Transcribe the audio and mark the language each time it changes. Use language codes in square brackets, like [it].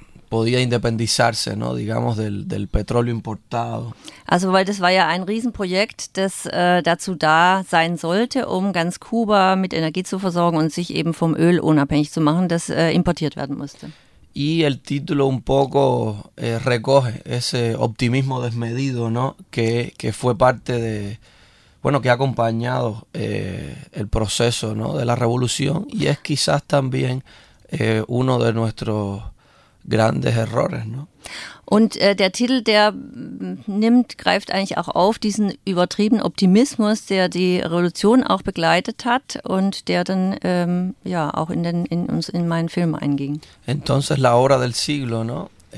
[es] podía independizarse, ¿no? Digamos, del petróleo importado. [de] Also, weil das war ja ein Riesenprojekt, das dazu da sein sollte, um ganz Kuba mit Energie zu versorgen und sich eben vom Öl unabhängig zu machen, das importiert werden musste. [es] Y el título un poco recoge ese optimismo desmedido, ¿no? Que fue parte de, bueno, que ha acompañado el proceso, ¿no? De la revolución y es quizás también uno de nuestros grandes errores, ¿no? [de] Und der Titel, der nimmt, greift eigentlich auch auf diesen übertriebenen Optimismus, der die Revolution auch begleitet hat und der dann ja auch in meinen Film einging. [es] Entonces la obra del siglo, ¿no?